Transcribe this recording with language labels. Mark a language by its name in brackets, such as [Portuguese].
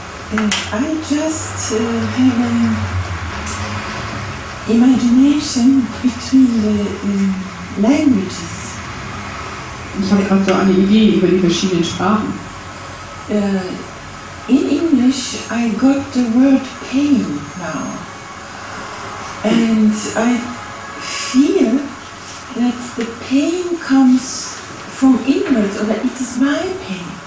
[English] I just have a imagination between the languages. [German] Ich habe gerade so eine Idee über die verschiedenen Sprachen. [English] In English I got the word pain now. And I feel that the pain comes from inwards, or that it is my pain.